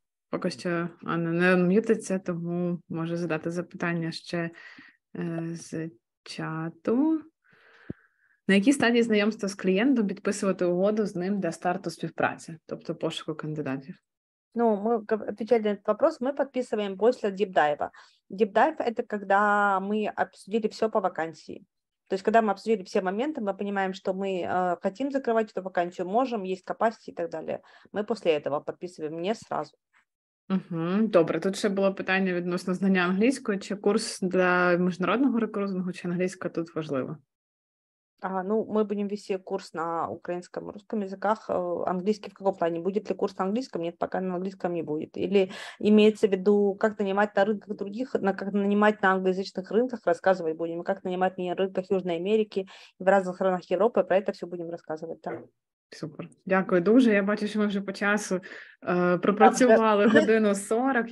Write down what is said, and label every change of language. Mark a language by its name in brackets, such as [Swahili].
[Ukrainian] Поки що Анна не анмьютиться, тому може задати запитання ще з чату. На якій стадії знайомства з клієнтом підписувати угоду з ним для старту співпраці, тобто пошуку кандидатів? Ну, ми відповіли на цей [Russian] вопрос, [Ukrainian] ми підписуємо після діпдайва. Діпдайв – це коли ми [Russian] обсудили все по вакансії. То есть, когда мы обсудили все моменты, мы понимаем, что мы хотим закрывать эту вакансию, можем, есть capacity и так далее. Мы после этого подписываем не сразу. [Ukrainian] Угу, добре, тут ще було питання відносно знання англійської. Чи курс для міжнародного рекрутингу, чи англійська тут важливо? [Russian] Ну, мы будем вести курс на украинском, русском языках. Английский в каком плане? Будет ли курс на английском? Нет, пока на английском не будет. Или имеется в виду, как нанимать на рынках других, как нанимать на англоязычных рынках, рассказывать будем, как нанимать на рынках Южной Америки, в разных странах Европы, про это все будем рассказывать. Да. [Ukrainian] Супер. Дякую дуже. Я бачу, що ми вже по часу пропрацювали годину 40.